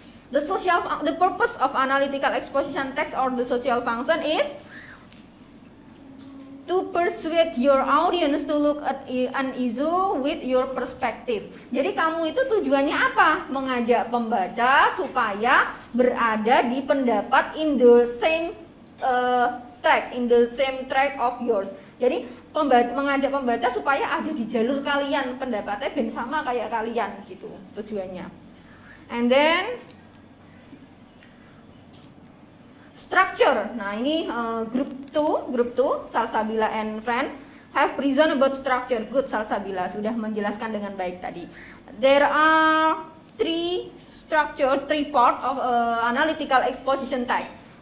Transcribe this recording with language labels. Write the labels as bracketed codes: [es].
[en] The purpose of analytical exposition text or the social function is to persuade your audience to look at an issue with your perspective. [id] Jadi kamu itu tujuannya apa? Mengajak pembaca supaya berada di pendapat [en] in the same track, in the same track of yours. [id] Jadi mengajak pembaca supaya ada di jalur kalian, pendapatnya ben sama kayak kalian gitu tujuannya. [en] And then structure. [id] Nah, ini [en] group 2, Salsabila and friends have present about structure. [id] Good, Salsabila sudah menjelaskan dengan baik tadi. [en] There are three part of analytical exposition text.